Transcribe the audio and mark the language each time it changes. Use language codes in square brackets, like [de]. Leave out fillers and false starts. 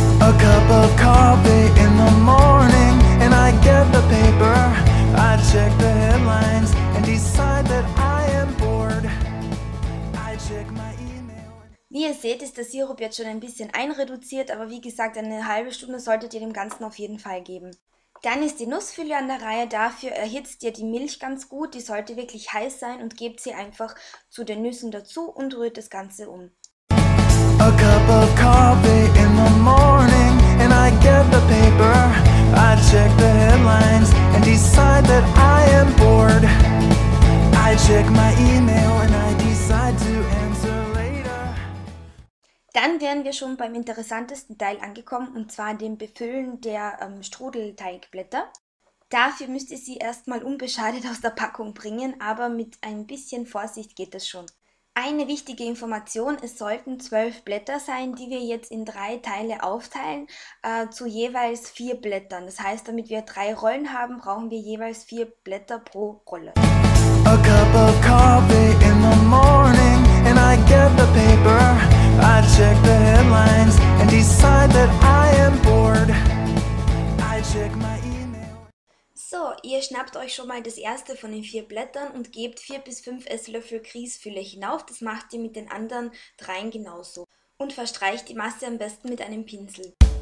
[en] A cup of coffee in the morning, and I get the paper. I check the headlines and decide that I am bored. I check my email. [de] Wie ihr seht, ist der Sirup jetzt schon ein bisschen einreduziert, aber wie gesagt, eine halbe Stunde solltet ihr dem Ganzen auf jeden Fall geben. Dann ist die Nussfülle an der Reihe. Dafür erhitzt ihr die Milch ganz gut, die sollte wirklich heiß sein, und gebt sie einfach zu den Nüssen dazu und rührt das Ganze um. [en] A cup of coffee in the morning, and I get the paper. I check the headlines and decide that I am bored. I check my email and I decide to answer later. [de] Dann wären wir schon beim interessantesten Teil angekommen, und zwar dem Befüllen der Strudelteigblätter. Dafür müsst ihr sie erstmal unbeschadet aus der Packung bringen, aber mit ein bisschen Vorsicht geht das schon. Eine wichtige Information: es sollten 12 Blätter sein, die wir jetzt in 3 Teile aufteilen, zu jeweils 4 Blättern. Das heißt, damit wir 3 Rollen haben, brauchen wir jeweils 4 Blätter pro Rolle. [en] A cup of coffee in the morning, and I get the paper. I check the headlines and decide that I am bored. I check my email. [de] So, ihr schnappt euch schon mal das erste von den 4 Blättern und gebt 4 bis 5 Esslöffel Grießfülle hinauf. Das macht ihr mit den anderen 3 genauso. Und verstreicht die Masse am besten mit einem Pinsel.